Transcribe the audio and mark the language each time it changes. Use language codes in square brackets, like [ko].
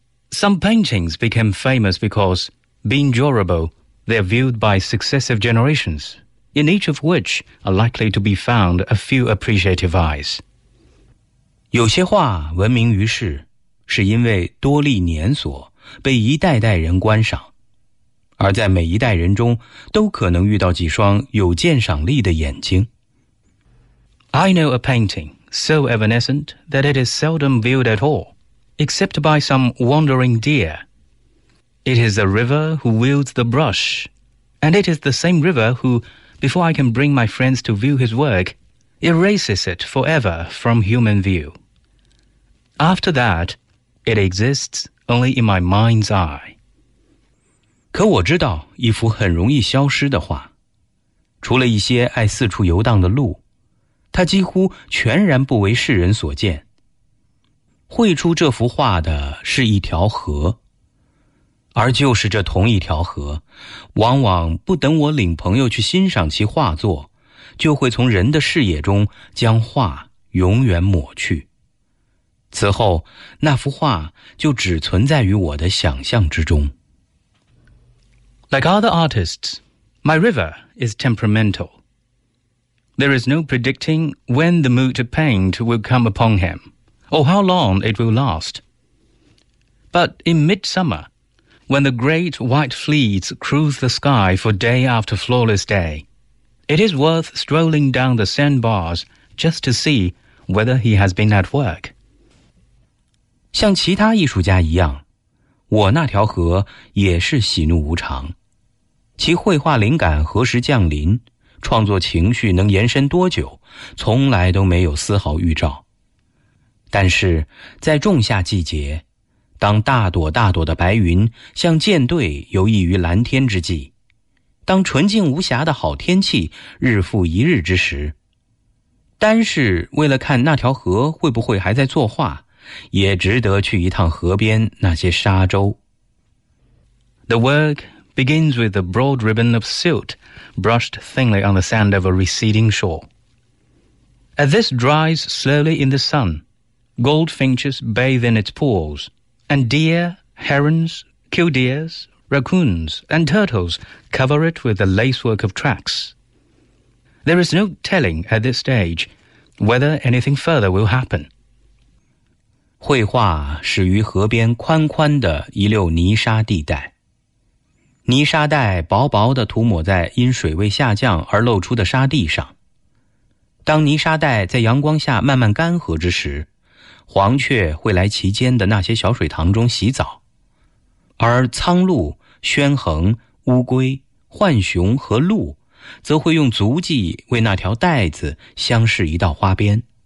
[en] Some paintings became famous because, being durable, they are viewed by successive generations, in each of which are likely to be found a few appreciative eyes. [zh] 有些画闻名于世，是因为多历年所被一代代人观赏，而在每一代人中都可能遇到几双有鉴赏力的眼睛。 [en] I know a painting so evanescent that it is seldom viewed at all, except by some wandering deer. It is a river who wields the brush, and it is the same river who, before I can bring my friends to view his work, erases it forever from human view. After that, it exists only in my mind's eye. [zh] 可我知道一幅很容易消失的画，除了一些爱四处游荡的鹿，它几乎全然不为世人所见。绘出这幅画的是一条河，而就是这同一条河，往往不等我领朋友去欣赏其画作，就会从人的视野中将画永远抹去。此后，那幅画就只存在于我的想象之中。 [en] Like other artists, my river is temperamental. There is no predicting when the mood to paint will come upon him, or how long it will last. But in midsummer, when the great white fleets cruise the sky for day after flawless day, it is worth strolling down the sandbars just to see whether he has been at work. [zh] 像其他艺术家一样，我那条河也是喜怒无常，其绘画灵感何时降临，创作情绪能延伸多久，从来都没有丝毫预兆。但是在仲夏季节，当大朵大朵的白云像舰队游弋于蓝天之际，当纯净无暇的好天气日复一日之时，单是为了看那条河会不会还在作画，也值得去一趟河边那些沙洲。 [en] The work begins with a broad ribbon of silt brushed thinly on the sand of a receding shore. As this dries slowly in the sun, goldfinches bathe in its pools, and deer, herons, killdeers, raccoons, and turtles cover it with a lacework of tracks. There is no telling at this stage whether anything further will happen. [zh] 绘画始于河边宽宽的一溜泥沙地带，泥沙带薄薄地涂抹在因水位下降而露出的沙地上。当泥沙带在阳光下慢慢干涸之时，黄雀会来其间的那些小水塘中洗澡，而苍鹭、宣衡、乌龟、浣熊和鹿则会用足迹为那条带子镶饰一道花边。